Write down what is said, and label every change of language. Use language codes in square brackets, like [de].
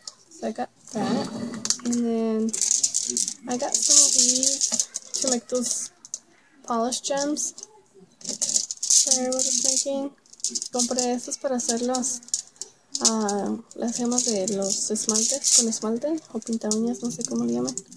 [en] So I got that. And then I got some of these to make those polish gems that I was making. [es] Compré estos para hacer los, las gemas de los esmaltes, con esmalte o pinta uñas, no sé cómo le llaman.